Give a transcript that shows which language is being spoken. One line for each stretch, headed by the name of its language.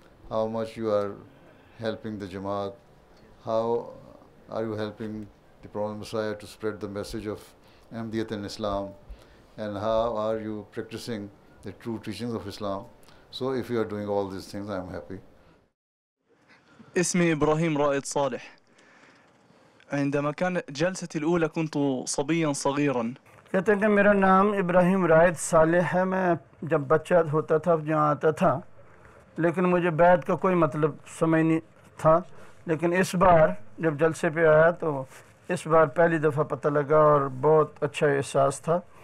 English: How much you are helping the Jamaat? How are you helping the Prophet Messiah to spread the message of Ahmadiyyat and Islam? And how are you practicing the true teachings of Islam? So if you are doing all these things, I am happy.
Arabic: اسمي إبراهيم رائد صالح. عندما كان جلسة الأولى كنت صبيا صغيرا.
Urdu: کہتے ہیں کہ میرا نام ابراہیم رائد صالح ہے. میں جب بچہ ہوتا تھا جہاں آتا تھا لیکن مجھے بیعت کا کوئی مطلب سمجھ نہیں تھا, لیکن اس بار جب جلسے پہ آیا تو اس بار پہلی دفعہ پتہ لگا اور بہت اچھا احساس تھا.